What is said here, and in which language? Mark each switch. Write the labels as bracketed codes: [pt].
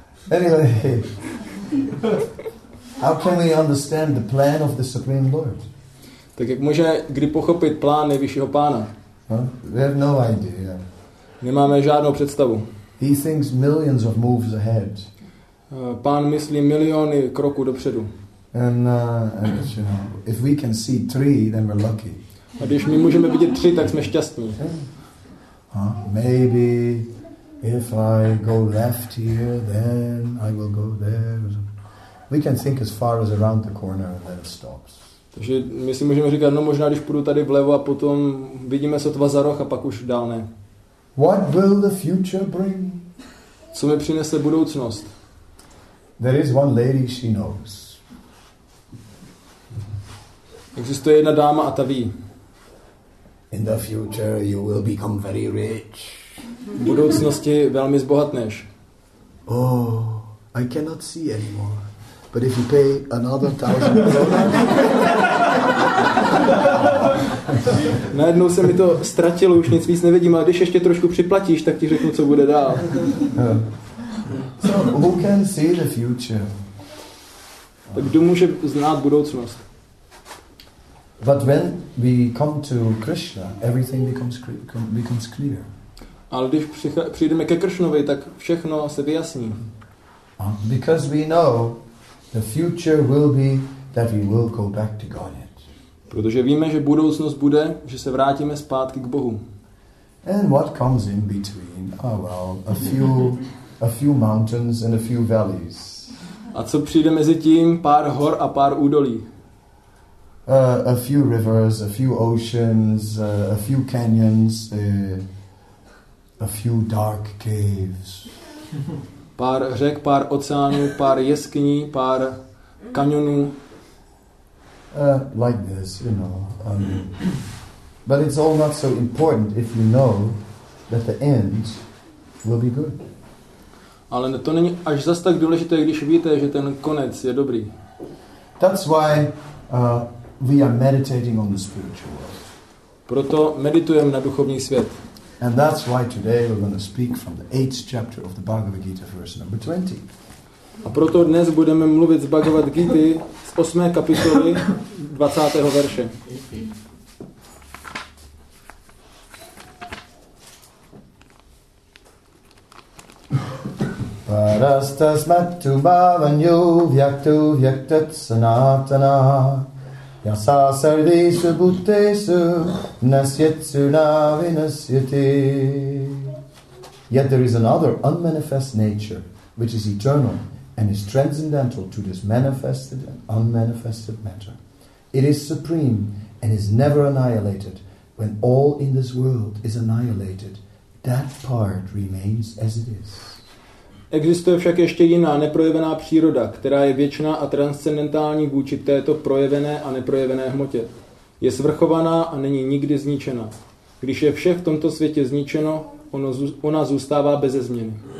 [en] Anyway, how can we understand the plan of the Supreme Lord? [cs] Tak jak může kdy pochopit plán nejvyššího pána? [en] We have no idea. [cs] Nemáme žádnou představu. [en] He thinks millions of moves ahead. [cs] Pán myslí miliony kroků dopředu. [en] And you know, if we can see three, then we're lucky. [cs] A když my můžeme vidět tři, tak jsme šťastní. [en] Maybe if I go left here, then I will go there. We can think as far as around the corner and then it stops. [cs] Takže my si můžeme říkat, no možná když půjdu tady vlevo a potom vidíme sotva za roh a pak už dál ne. [en] What will the future bring? [cs] Co mi přinese budoucnost? [en] There is one lady, she knows. [cs] Existuje jedna dáma a ta ví. [en] In the future you will become very rich. [cs] V budoucnosti velmi zbohatneš. [en] Oh, I cannot see anymore. But if you pay another 1,000 kronas... [cs] Najednou se mi to ztratilo, už nic víc nevidím, ale když ještě trošku připlatíš, tak ti řeknu, co bude dál. [en] So, who can see the future? [cs] Tak kdo může znát budoucnost? [en] But when we come to Krishna, everything becomes clear. [cs] Ale když přijdeme ke Kršnovi, tak všechno se vyjasní. [en] Because we know the future will be that we will go back to Godhead. [cs] Protože víme, že budoucnost bude, že se vrátíme zpátky k Bohu. [en] And what comes in between? Oh well, a few mountains and a few valleys. [cs] A co přijde mezi tím? Pár hor a pár údolí. [en] A few rivers, a few oceans, a few canyons, a few dark caves. [cs] Pár řek, pár oceánů, pár jeskyní, pár kanionů. [en] Like this, you know. But it's all not so important if you know that the end will be good. [cs] Ale to není až zas tak důležité, když víte, že ten konec je dobrý. [en] That's why we are meditating on the spiritual world. [cs] Proto meditujeme na duchovní svět. [en] And that's why today we're going to speak from the 8th chapter of the Bhagavad Gita, verse number 20. [cs] A proto dnes budeme mluvit z Bhagavad Gita z 8. kapitoly 20. verše. [sa] Parastasmat tu bhavanyu vyaktu vyaktat sanatana yasa sarvesu bhutesu nasyatsu na vinasyati. [en] Yet there is another unmanifest nature which is eternal and is transcendental to this manifested and unmanifested matter. It is supreme and is never annihilated. When all in this world is annihilated, that part remains as it is. [cs] Existuje však ještě jiná neprojevená příroda, která je věčná a transcendentální vůči této projevené a neprojevené hmotě. Je svrchovaná a není nikdy zničena. Když je vše v tomto světě zničeno, ona zůstává beze změny.